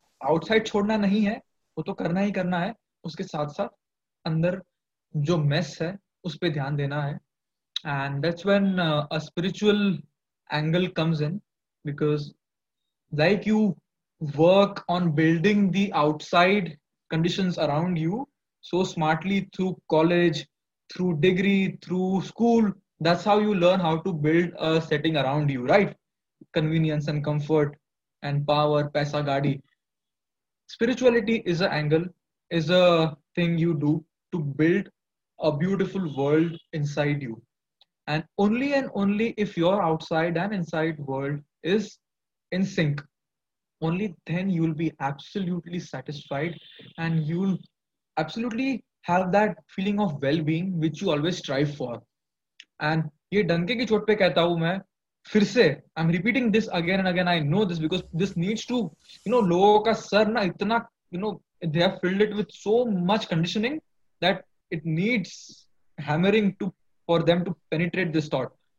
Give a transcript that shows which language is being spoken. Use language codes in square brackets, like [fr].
[hi] Outside छोड़ना नहीं है, वो तो करना ही करना है. उसके साथ साथ अंदर जो mess है उस पर ध्यान देना है. [en] And that's when a spiritual angle comes in, because like you work on building the outside conditions around you so smartly through college, through degree, through school, that's how you learn how to build a setting around you, right? Convenience and comfort and power, [hi] paisa, gaadi. [en] Spirituality is an angle, is a thing you do to build a beautiful world inside you. And only if your outside and inside world is in sync, only then you'll be absolutely satisfied and you'll absolutely have that feeling of well-being which you always strive for. And [hi] ye danke ki chot pe kehta hu main [en] फिर से I am repeating this again and again I know this because this needs to you know [hi] लोगों का sir ना इतना [en] you know they have filled it with so much conditioning that it needs hammering too for them to penetrate this thought